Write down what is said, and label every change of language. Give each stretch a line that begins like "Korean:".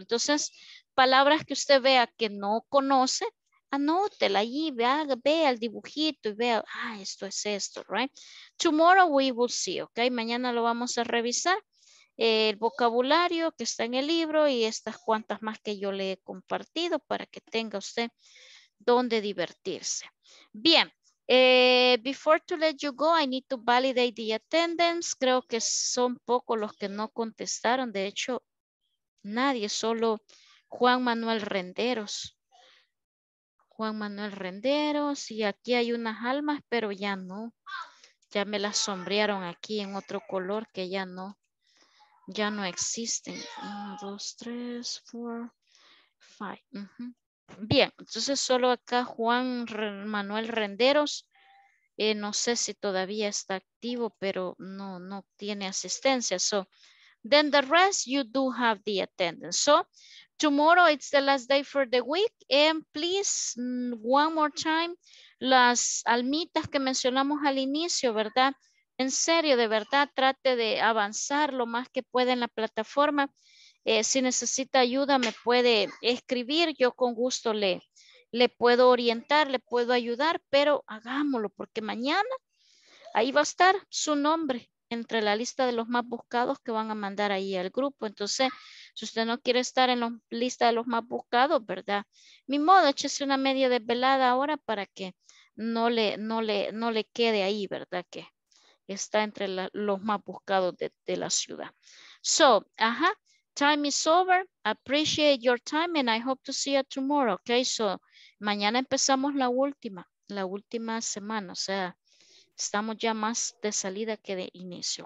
Spanish: Entonces, palabras que usted vea que no conoce, anótela allí, vea el dibujito y vea, ah, esto es esto, right?
English: Tomorrow we will see,
Spanish: ¿ok? Mañana lo vamos a revisar. El vocabulario que está en el libro y estas cuantas más que yo le he compartido para que tenga usted donde divertirse.
English: Bien, before to let you go, I need to validate the attendance.
Spanish: Creo que son pocos los que no contestaron. De hecho, nadie, solo Juan Manuel Renderos. Juan Manuel Renderos, y aquí hay unas almas, pero ya no. Ya me las sombrearon aquí en otro color que ya no. Ya no existen. 1, 2, 3, 4, 5. Bien, entonces solo acá Juan Manuel Renderos. No sé si todavía está activo, pero no, no tiene asistencia.
English: So, then the rest, you do have the attendance. So, tomorrow it's the last day for the week. And please, one more time,
Spanish: las almitas que mencionamos al inicio, ¿verdad? En serio, de verdad, trate de avanzar lo más que pueda en la plataforma. Si necesita ayuda, me puede escribir. Yo con gusto le puedo orientar, le puedo ayudar, pero hagámoslo, porque mañana ahí va a estar su nombre entre la lista de los más buscados que van a mandar ahí al grupo. Entonces, si usted no quiere estar en la lista de los más buscados, ¿verdad? Mi modo, échese una media desvelada ahora para que no le quede ahí, ¿verdad? Que está entre los más buscados de la ciudad.
English: So, ajá. Time is over. Appreciate your time and I hope to see you tomorrow.
Spanish: Okay, so mañana empezamos la última semana. O sea, estamos ya más de salida que de inicio.